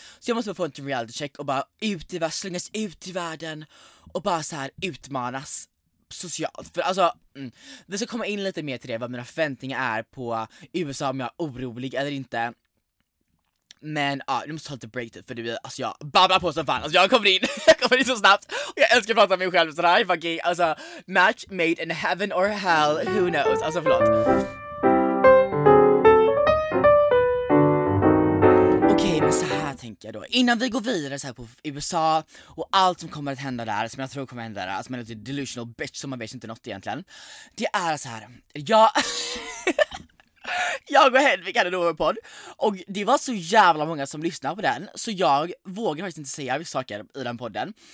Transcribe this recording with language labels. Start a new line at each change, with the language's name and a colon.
Swedish: Så jag måste få en reality check och bara ut i världen, slängas ut i världen och bara så här utmanas socialt. För alltså, vi ska komma in lite mer till det, vad mina förväntningar är på USA, om jag är orolig eller inte. Men ja, nu måste ta lite break det, för det blir, alltså jag babblar på som fan. Alltså jag kommer in så snabbt. Och jag älskar att prata med mig själv sådär, fucking.
English: Alltså, match made in heaven or hell, who knows.
Swedish: Alltså förlåt. Okej, men så här tänker jag då. Innan vi går vidare så här på USA och allt som kommer att hända där, som jag tror kommer att hända där, alltså man är lite delusional bitch, som man vet inte något egentligen. Det är så här. Jag och Hedvig hade en podd, och det var så jävla många som lyssnade på den, så jag vågar faktiskt inte säga vissa saker i den podden.